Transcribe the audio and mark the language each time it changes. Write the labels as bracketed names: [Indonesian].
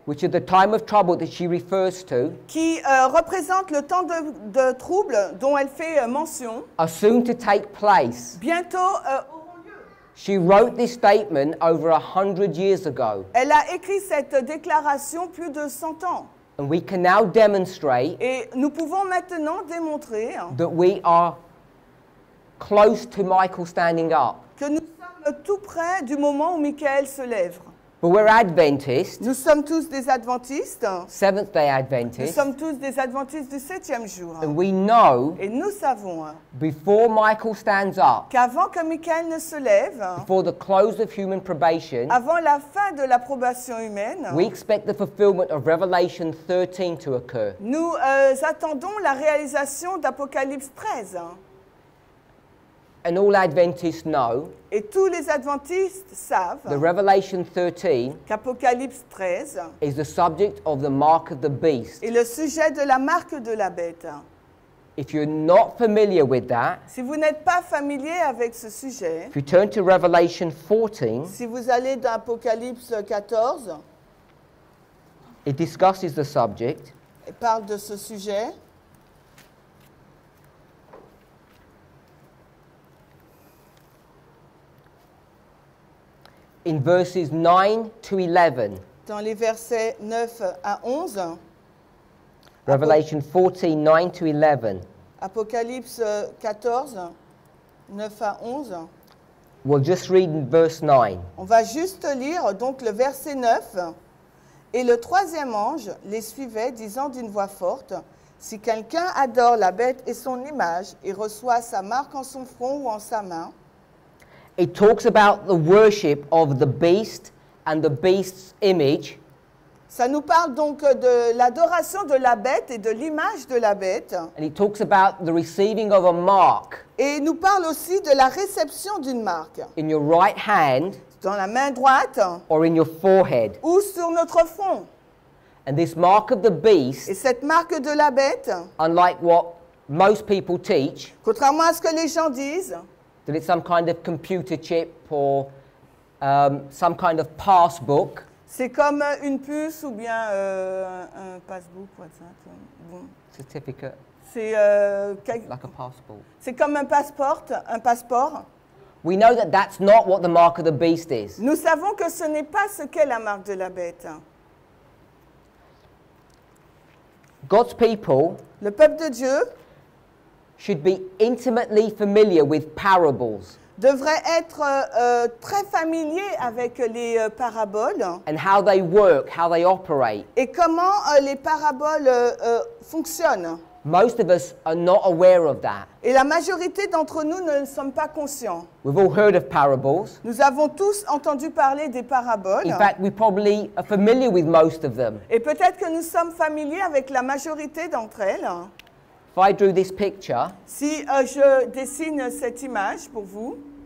[English] which are the time of trouble that she refers to, [French] qui représentent le temps de trouble dont elle fait mention, [English] are soon to take place. [French] Bientôt auront lieu. [English] She wrote this statement over 100 years ago. [French] Elle a écrit cette déclaration plus de 100 ans. [English] And we can now demonstrate. [French] Et nous pouvons maintenant démontrer [English] that we are close to Michael standing up. [French] Que nous sommes tout près du moment où Michael se lève. [English] But we're Adventists. [French] Nous sommes tous des Adventistes. [English] Seventh-day Adventists. [French] Nous sommes tous des Adventistes du septième jour. [English] And we know. [French] Et nous savons. [English] Before Michael stands up. [French] Qu'avant que Michael ne se lève. [English] Before the close of human probation. [French] Avant la fin de la probation humaine. [English] We expect the fulfillment of Revelation 13 to occur. [French] Nous attendons la réalisation d'Apocalypse 13. [English] And all Adventists know. [French] Et tous les Adventistes savent. [English] The Revelation 13. [French] Qu'Apocalypse 13. [English] Is the subject of the mark of the beast. [French] Et le sujet de la marque de la bête. [English] If you're not familiar with that. [French] Si vous n'êtes pas familier avec ce sujet. [English] If you turn to Revelation 14. [French] Si vous allez dans Apocalypse 14. [English] It discusses the subject. [French] Et parle de ce sujet. [English] In verses 9 to 11. [French] Dans les versets 9 à 11. [English] Revelation 14, 9 to 11. [French] Apocalypse 14, 9 à 11. [English] We'll just read in verse 9. [French] On va juste lire donc le verset 9. Et le troisième ange les suivait, disant d'une voix forte, « Si quelqu'un adore la bête et son image, et reçoit sa marque en son front ou en sa main, [English] it talks about the worship of the beast and the beast's image. [French] Ça nous parle donc de l'adoration de la bête et de l'image de la bête. [English] And it talks about the receiving of a mark. [French] Et nous parle aussi de la réception d'une marque. [English] In your right hand. [French] Dans la main droite. [English] Or in your forehead. [French] Ou sur notre front. [English] And this mark of the beast. [French] Et cette marque de la bête. [English] Unlike what most people teach. [French] Contrairement à ce que les gens disent. [English] That it's some kind of computer chip or some kind of passbook. [French] C'est comme une puce ou bien un passbook, [English] what's that? [French] Bon. [English] Certificate. [French] C'est [English] like a passport. [French] C'est comme un passeport. [English] We know that that's not what the mark of the beast is. [French] Nous savons que ce n'est pas ce qu'est la marque de la bête. [English] God's people. [French] Le peuple de Dieu. [English] Should be intimately familiar with parables. [French] Devrait être très familier avec les paraboles. [English] And how they work, how they operate. [French] Et comment les paraboles fonctionnent. [English] Most of us are not aware of that. [French] Et la majorité d'entre nous ne sommes pas conscients. [English] We've all heard of parables. [French] Nous avons tous entendu parler des paraboles. [English] In fact, we probably are familiar with most of them. [French] Et peut-être que nous sommes familiers avec la majorité d'entre elles. [English] If I drew this picture, [French] si je dessine cette image pour vous,